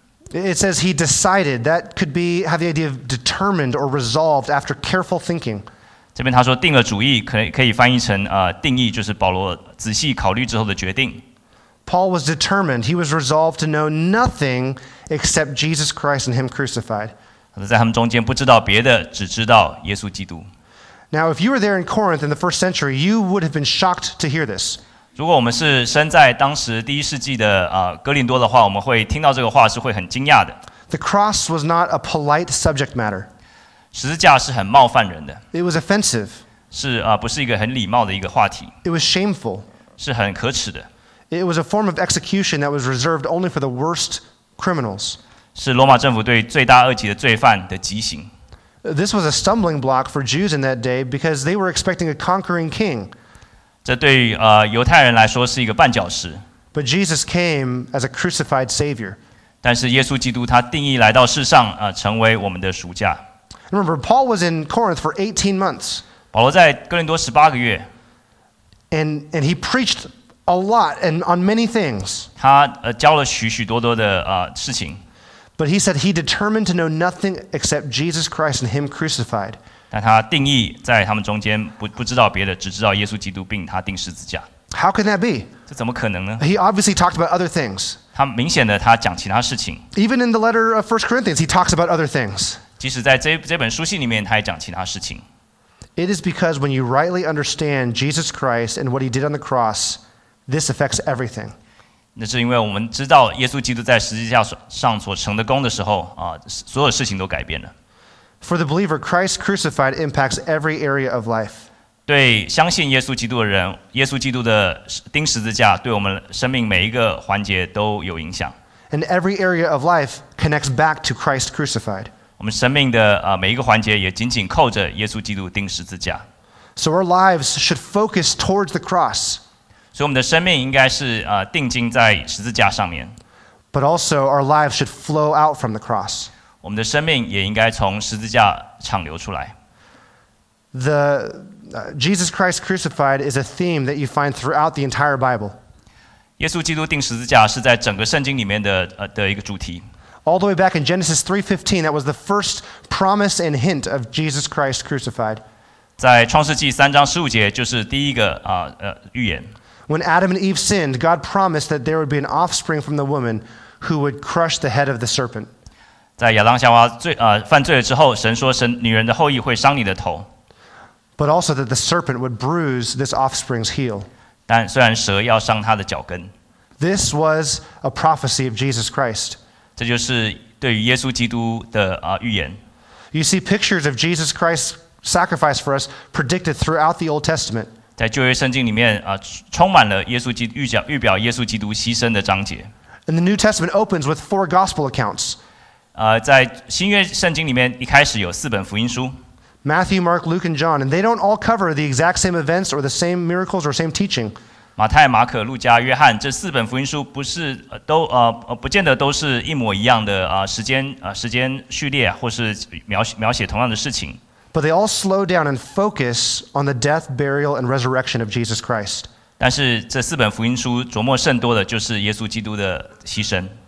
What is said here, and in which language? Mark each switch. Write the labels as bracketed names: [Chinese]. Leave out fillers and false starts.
[English] It says he decided. That could be have the idea of determined or resolved after careful thinking. [Chinese] 这边他说定了主意，可以翻译成定义，就是保罗仔细考虑之后的决定。 [English] Paul was determined. He was resolved to know nothing except Jesus Christ and Him crucified. [Chinese] 在他们中间不知道别的，只知道耶稣基督。 [English] Now, if you were there in Corinth in the first century, you would have been shocked to hear this. [Chinese] 如果我们是身在当时第一世纪的哥林多的话，我们会听到这个话是会很惊讶的。 [English] The cross was not a polite subject matter. [Chinese] 十字架是很冒犯人的。 [English] It was offensive. [Chinese] 是不是一个很礼貌的一个话题。 [English] It was shameful. [Chinese] 是很可耻的。 [English] It was a form of execution that was reserved only for the worst criminals. [Chinese] 是罗马政府对罪大恶极的罪犯的极刑。 [English] This was a stumbling block for Jews in that day because they were expecting a conquering king. [Chinese] 这对犹太人来说是一个绊脚石。 [English] But Jesus came as a crucified savior. [Chinese] 但是耶稣基督他定义来到世上成为我们的赎价。 [English] Remember, Paul was in Corinth for 18 months. [Chinese] 保罗在哥林多十八个月。 [English] And he preached a lot and on many things. [Chinese] 他教了许许多多的事情。 [English] But he said he determined to know nothing except Jesus Christ and Him crucified. [Chinese] 但他定义在他们中间不知道别的，只知道耶稣基督并他钉十字架。 [English] How can that be? [Chinese] 这怎么可能呢？ [English] He obviously talked about other things. [Chinese] 他明显的他讲其他事情。 [English] Even in the letter of 1 Corinthians, he talks about other things. [Chinese] 即使在这本书信里面，他也讲其他事情。 [English] It is because when you rightly understand Jesus Christ and what He did on the cross, this affects everything. [Chinese] 那是因为我们知道耶稣基督在十字架上所成的功的时候所有事情都改变了。 [English] For the believer, Christ crucified impacts every area of life. [Chinese] 对相信耶稣基督的人，耶稣基督的钉十字架对我们生命每一个环节都有影响。 [English] And every area of life connects back to Christ crucified. [Chinese] 我们生命的每一个环节也紧紧扣着耶稣基督钉十字架。 [English] So our lives should focus towards the cross. [Chinese] 所以我们的生命应该是定睛在十字架上面。 [English] But also our lives should flow out from the cross. [Chinese] 我们的生命也应该从十字架畅流出来。 [English] The Jesus Christ crucified is a theme that you find throughout the entire Bible. [Chinese] 耶稣基督钉十字架是在整个圣经里面的一个主题。 [English] All the way back in Genesis 3:15, that was the first promise and hint of Jesus Christ crucified. [Chinese] 在创世纪三章十五节就是第一个预言。 [English] When Adam and Eve sinned, God promised that there would be an offspring from the woman who would crush the head of the serpent. [Chinese] 在亚当夏娃犯罪了之后，神说神女人的后裔会伤你的头。 [English] But also that the serpent would bruise this offspring's heel. [Chinese] 但虽然蛇要伤他的脚跟。 [English] This was a prophecy of Jesus Christ. [Chinese] 这就是对于耶稣基督的预言。 [English] You see pictures of Jesus Christ's sacrifice for us predicted throughout the Old Testament. [Chinese] 在旧约圣经里面充满了耶稣基督预表耶稣基督牺牲的章节。 [English] And the New Testament opens with four gospel accounts. [Chinese] 在新约圣经里面一开始有四本福音书。 [English] Matthew, Mark, Luke, and John, and they don't all cover the exact same events or the same miracles or same teaching. [Chinese] 马太、马可、路加、约翰这四本福音书不是都不见得都是一模一样的时间序列或是描写同样的事情。 [English] But they all slow down and focus on the death, burial, and resurrection of Jesus Christ. [Chinese] 但是这四本福音书琢磨甚多的就是耶稣基督的牺牲。